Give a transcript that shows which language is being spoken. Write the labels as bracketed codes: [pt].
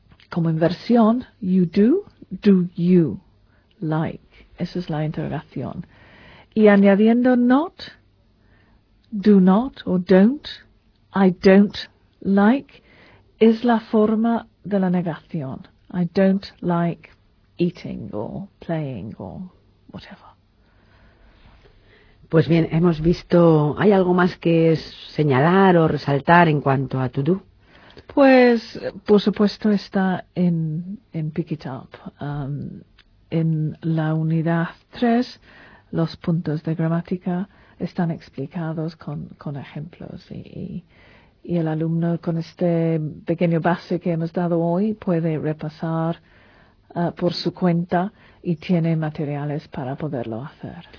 [es] Como inversión, [en] you do, do you like? [es] Esa es la interrogación. Y añadiendo not, [en] do not [es] o [en] don't, I don't like, [es] es la forma de la negación. [en] I don't like eating or playing or whatever. [es] Pues bien, hemos visto, ¿hay algo más que señalar o resaltar en cuanto a to do? Pues, por supuesto, está en Pick It Up. En la unidad 3, los puntos de gramática están explicados con ejemplos y el alumno con este pequeño base que hemos dado hoy puede repasar por su cuenta y tiene materiales para poderlo hacer.